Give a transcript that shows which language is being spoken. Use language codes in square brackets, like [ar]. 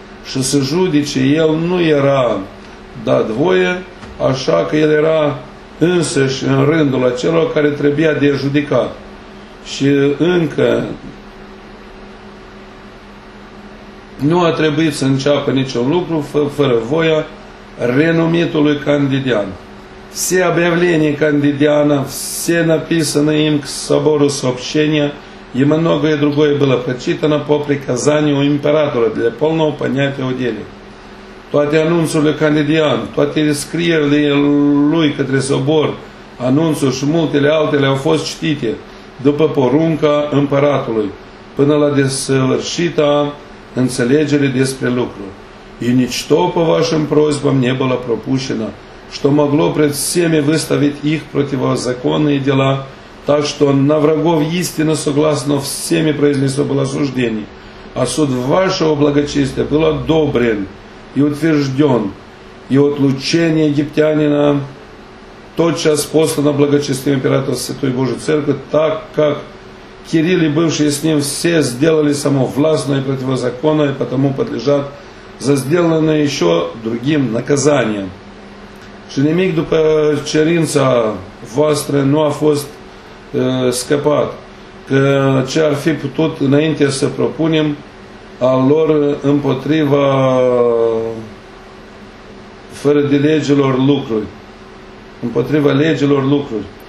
[ro] Și să judece, el nu era dat voie, așa că el era însăși în rândul acelor care trebuia de judecat. Și încă nu a trebuit să înceapă niciun lucru fără voia renumitului Candidian. [ru] Все объявления Кандидиана, все написанные им к собору сообщения и многое другое было прочитано по приказанию императора для полного понятия о деле. [ro] Toate anunțurile Candidian, toate scrierile lui către sobor, anunțuri și multele altele au fost citite după porunca împăratului, până la desăvârșita înțelegere despre lucru. [ru] И ничто по вашим просьбам не было пропущено, что могло пред всеми выставить их противозаконные дела, так что на врагов истинно согласно всеми произнесло было суждение. А суд вашего благочестия был одобрен и утвержден, и отлучение египтянина тотчас послано благочестивым императором Святой Божией Церкви, так как Кирилл и бывшие с ним все сделали само властно и противозаконно, и потому подлежат за сделанное еще другим наказанием. [ro] Și nimic după cerința voastră nu a fost scăpat, că ce ar fi putut înainte să propunem al lor împotriva fără de legilor lucruri, împotriva legilor lucruri.